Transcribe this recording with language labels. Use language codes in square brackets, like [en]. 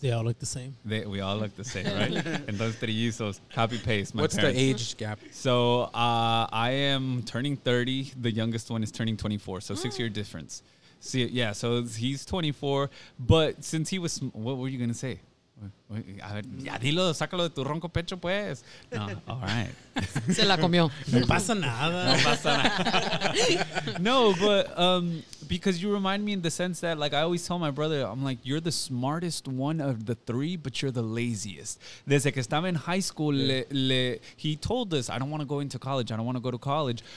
[en] They all look the same. We all look the same, right? And those three usos, copy paste. What's parents. The age gap? So I am turning 30. The youngest one is turning 24. So 6-year difference. So he's 24. But since he was, what were you going to say? [es] A ver, ya dilo, sácalo de tu ronco pecho, pues. [en] No, all right. [es] Se la comió. No pasa nada. No pasa nada. [en] No, but because you remind me in the sense that, like, I always tell my brother, I'm like, you're the smartest one of the three, but you're the laziest. [es] Desde que estaba [en] in high school, he told us, I don't want to go into college. I don't want to go to college.